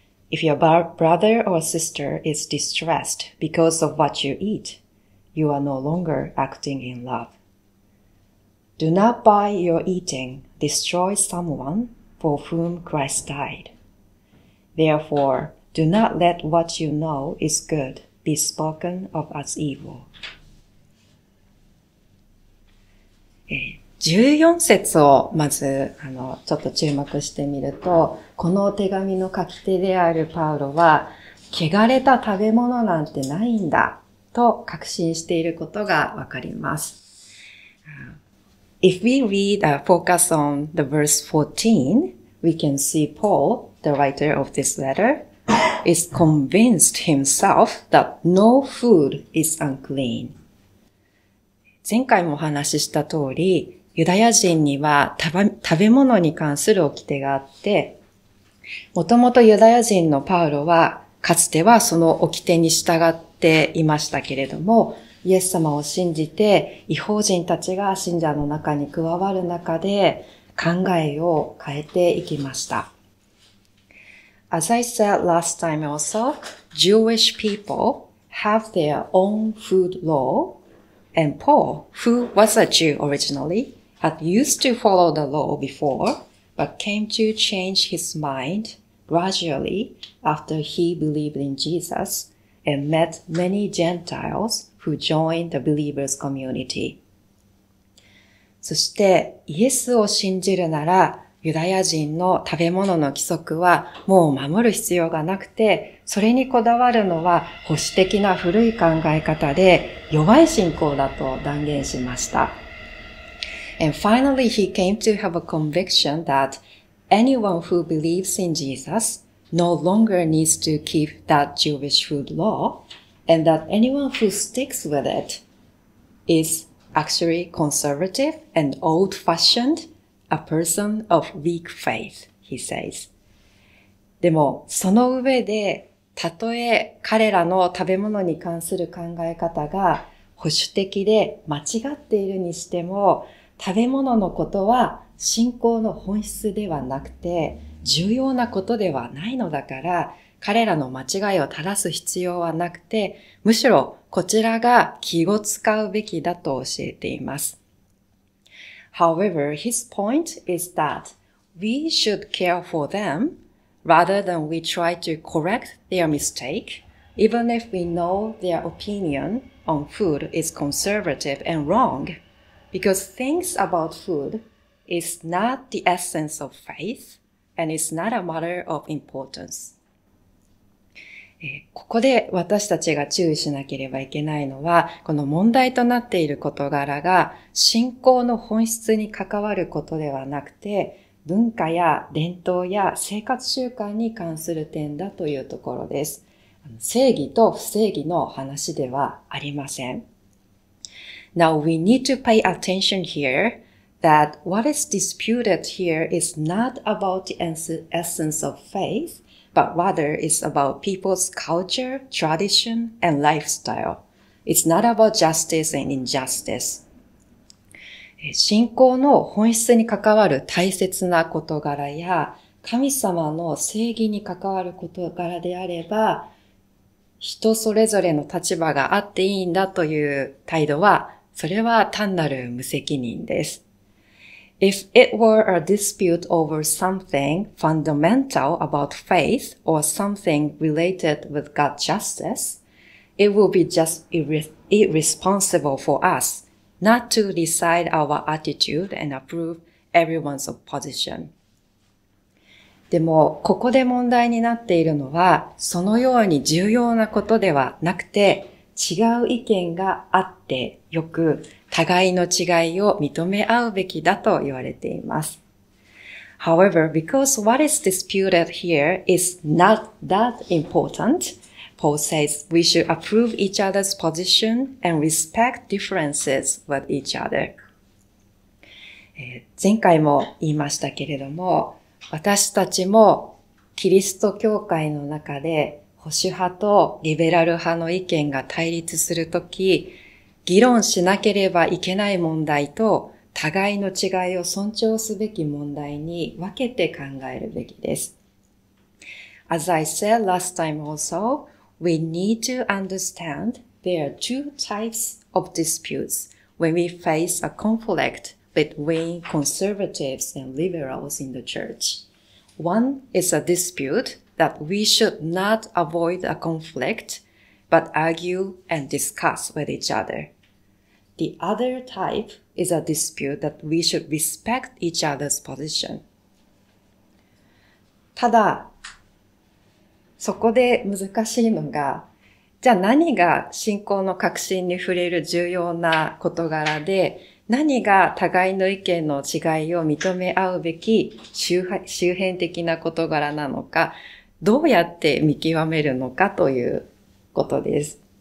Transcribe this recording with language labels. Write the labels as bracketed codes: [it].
[en] If your brother or sister is distressed because of what you eat, you are no longer acting in love. Do not by your eating destroy someone for whom Christ died. Therefore, do not let what you know is good be spoken of as evil. [ja] 14節をまずちょっと注目してみると、この手紙の書き手であるパウロは、汚れた食べ物なんてないんだと確信していることがわかります。 [en] If we read focus on the verse 14, we can see Paul, the writer of this letter, is convinced himself that no food is unclean. [ja] 前回もお話しした通り、ユダヤ人には食べ物に関する掟があって、もともとユダヤ人のパウロは、かつてはその掟に従っていましたけれども、イエス様を信じて、異邦人たちが信者の中に加わる中で、考えを変えていきました。 [en] As I said last time also, Jewish people have their own food law,And Paul, who was a Jew originally, had used to follow the law before, but came to change his mind gradually after he believed in Jesus and met many Gentiles who joined the believers community. [ja] そしてイエスを信じるならユダヤ人の食べ物の規則はもう守る必要がなくて、それにこだわるのは保守的な古い考え方で弱い信仰だと断言しました。 [en] And finally, he came to have a conviction that anyone who believes in Jesus no longer needs to keep that Jewish food law, and that anyone who sticks with it is actually conservative and old-fashioned, a person of weak faith, he says. [ja] でもその上で、たとえ彼らの食べ物に関する考え方が保守的で間違っているにしても、食べ物のことは信仰の本質ではなくて重要なことではないのだから、彼らの間違いを正す必要はなくて、むしろこちらが気を使うべきだと教えています。 [en] However, his point is that we should care for them,Rather than we try to correct their mistake, even if we know their opinion on food is conservative and wrong, because things about food is not the essence of faith and is not a matter of importance. [ja] ここで私たちが注意しなければいけないのは、この問題となっている事柄が信仰の本質に関わることではなくて、文化や伝統や生活習慣に関する点だというところです。正義と不正義の話ではありません。 [en] Now we need to pay attention here that what is disputed here is not about the essence of faith, but rather is about people's culture, tradition and lifestyle. It's not about justice and injustice. [ja] 信仰の本質に関わる大切な事柄や、神様の正義に関わる事柄であれば、人それぞれの立場があっていいんだという態度は、それは単なる無責任です。 [en] If it were a dispute over something fundamental about faith or something related with God's justice, it would be just irresponsible for us. Not to decide our attitude and approve everyone's position. [ja] でも、ここで問題になっているのは、そのように重要なことではなくて、違う意見があってよく、互いの違いを認め合うべきだと言われています。 [en] However, because what is disputed here is not that important,Paul says we should approve each other's position and respect differences with each other. [ja] 前回も言いましたけれども、私たちもキリスト教会の中で保守派とリベラル派の意見が対立するとき、議論しなければいけない問題と互いの違いを尊重すべき問題に分けて考えるべきです。 [en] As I said last time also,We need to understand there are two types of disputes when we face a conflict between conservatives and liberals in the church. One is a dispute that we should not avoid a conflict, but argue and discuss with each other. The other type is a dispute that we should respect each other's position. [ja] ただそこで難しいのが、じゃあ何が信仰の核心に触れる重要な事柄で、何が互いの意見の違いを認め合うべき周辺的な事柄なのか、どうやって見極めるのかということです。